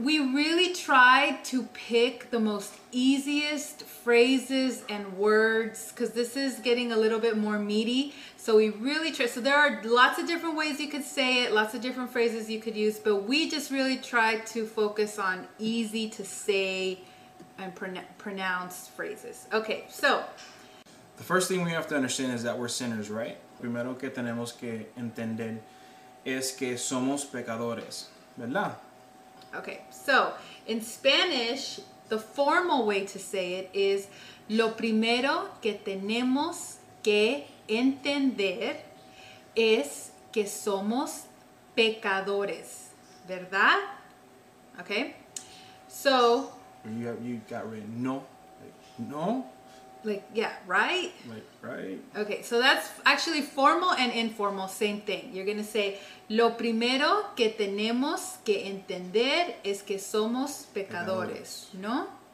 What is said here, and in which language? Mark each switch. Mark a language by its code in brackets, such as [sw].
[en] We really tried to pick the most easiest phrases and words because this is getting a little bit more meaty. So we really tried. So there are lots of different ways you could say it, lots of different phrases you could use, but we just really tried to focus on easy to say and pronounce phrases. Okay, so the first thing we have to understand is that we're sinners, right? [es] Primero que tenemos que entender es que somos pecadores, ¿verdad? [en] Okay, so in Spanish, the formal way to say it is lo primero que tenemos que entender es que somos pecadores, ¿verdad? Okay, so you got written no, no? Like, yeah, right? Like, right. Okay, so that's actually formal and informal, same thing. [es] You're going to say, lo primero que tenemos que entender es que somos pecadores, ¿no?